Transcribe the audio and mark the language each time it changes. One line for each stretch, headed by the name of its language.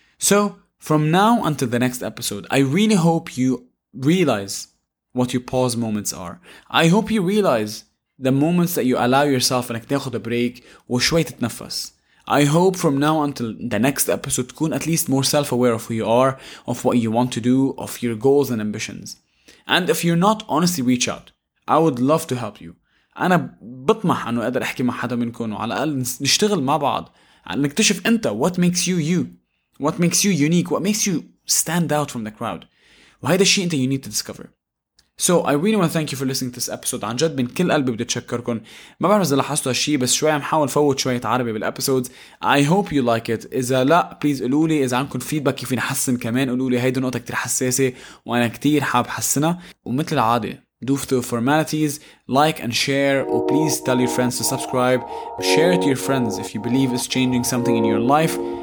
English: So, from now until the next episode, I really hope you realize what your pause moments are. I hope you realize the moments that you allow yourself and
Arabic: تاخد
English: a break
Arabic: وشوي تتنفس.
English: I hope from now until the next episode
Arabic: تكون
English: at least more self-aware of who you are, of what you want to do, of your goals and ambitions. And if you're not, honestly, reach out. I would love to help you.
Arabic: أنا بطمح أنه أقدر أحكي مع حدا منكم وعلى الأقل نشتغل مع بعض. نكتشف أنت
English: what makes you you. What makes you unique. What makes you stand out from the crowd.
Arabic: وهذا الشيء أنت
English: you need to discover. So I really want to thank you for listening to this episode.
Arabic: عن جد من كل قلبي بدي اتشكركم. ما بعرف اذا لاحظتوا هالشيء بس شوي عم حاول فوت شوية عربي بالابيسودز.
English: I hope you like it.
Arabic: اذا لا بليز قولوا لي, اذا عندكم فيدباك كيف نحسن كمان قولوا لي, هيدي نقطة كتير حساسة وانا كتير حاب حسنها. ومثل العادة
English: do the formalities, like and share, or please tell your friends to subscribe, share it to your friends if you believe it's changing something in your life.